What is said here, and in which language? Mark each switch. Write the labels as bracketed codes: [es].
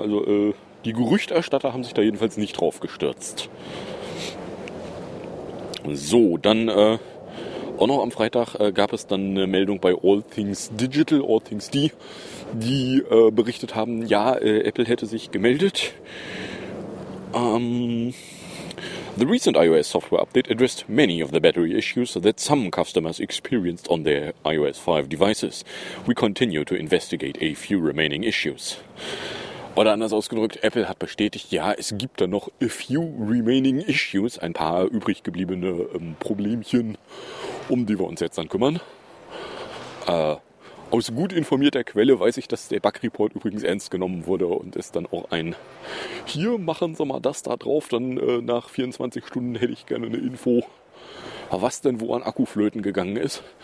[de] Also die Gerüchterstatter haben sich da jedenfalls nicht drauf gestürzt. So, dann auch noch am Freitag gab es dann eine Meldung bei All Things Digital, All Things D, die berichtet haben, ja, Apple hätte sich gemeldet. [en] The recent iOS software update addressed many of the battery issues that some customers experienced on their iOS 5 devices. We continue to investigate a few remaining issues. [de] Oder anders ausgedrückt, Apple hat bestätigt, ja, es gibt da noch [en] a few remaining issues, [de] ein paar übrig gebliebene Problemchen, um die wir uns jetzt dann kümmern. Aus gut informierter Quelle weiß ich, dass der Bug-Report übrigens ernst genommen wurde und es dann auch ein, hier machen Sie mal das da drauf, dann nach 24 Stunden hätte ich gerne eine Info, was denn wo an Akkuflöten gegangen ist.